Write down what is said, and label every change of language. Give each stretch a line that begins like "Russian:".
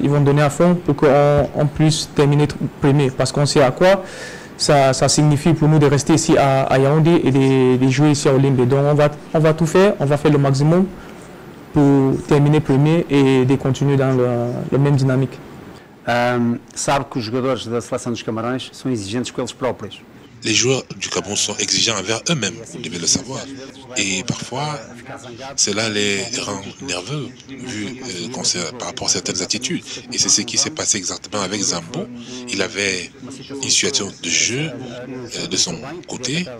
French: Ils vont donner à fond pour qu'on puisse terminer premier. Parce qu'on sait à quoi ça signifie pour nous de rester ici à Yaoundé et de jouer ici à Olimbé. Donc on va tout faire, on va faire le maximum pour terminer premier et de continuer dans la même dynamique.
Portuguese: Sabe que os jogadores da seleção dos Camarões são exigentes com eles próprios.
French: Les joueurs du Cameroun sont exigeants envers eux-mêmes, vous devez le savoir. Et parfois, cela les rend nerveux vu, par rapport à certaines attitudes. Et c'est ce qui s'est passé exactement avec Zambo. Il avait une situation de jeu de son côté.